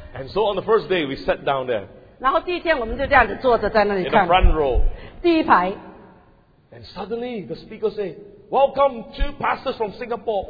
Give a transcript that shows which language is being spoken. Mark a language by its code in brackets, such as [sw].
[en] And so on the first day, we sat down there. [zh] 然后第一天我们就这样子坐着在那里看。 [en] In the front row. [zh] 第一排。 [en] And suddenly, the speaker said, welcome two pastors from Singapore.